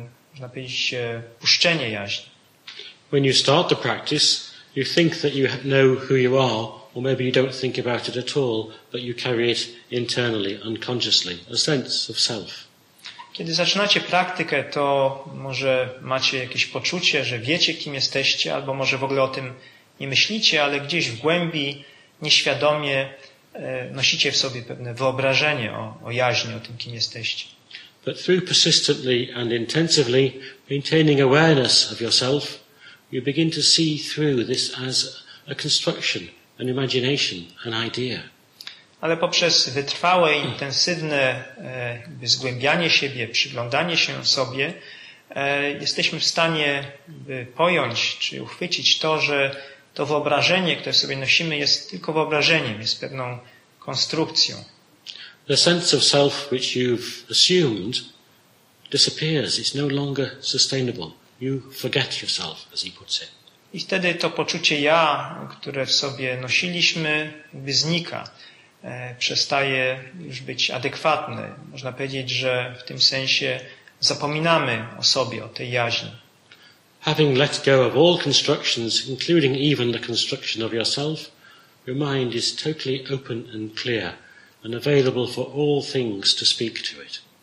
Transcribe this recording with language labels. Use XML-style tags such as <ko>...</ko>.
<pl>Można powiedzieć, puszczenie jaźni.</pl> <en>When you start the practice, you think that you know who you are, or maybe you don't think about it at all, but you carry it internally, unconsciously, a sense of self.</en> <pl>Kiedy zaczynacie praktykę, to może macie jakieś poczucie, że wiecie, kim jesteście, albo może w ogóle o tym nie myślicie, ale gdzieś w głębi, nieświadomie nosicie w sobie pewne wyobrażenie o jaźni, o tym, kim jesteście.</pl> <en>But through persistently and intensively maintaining awareness of yourself, you begin to see through this as a construction, an imagination, an idea.</en> <pl>Ale poprzez wytrwałe, intensywne jakby zgłębianie siebie, przyglądanie się sobie, jesteśmy w stanie pojąć czy uchwycić to, że to wyobrażenie, które sobie nosimy, jest tylko wyobrażeniem, jest pewną konstrukcją.</pl> <en>The sense of self which you've assumed disappears. It's no longer sustainable. You forget yourself, as he puts it.</en> <pl>I wtedy to poczucie ja, które w sobie nosiliśmy, znika. Przestaje już być adekwatne. Można powiedzieć, że w tym sensie zapominamy o sobie, o tej jaźni.</pl> <en>Having let go of all constructions, including even the construction of yourself, your mind is totally open and clear. and available for all things to speak to it.</en>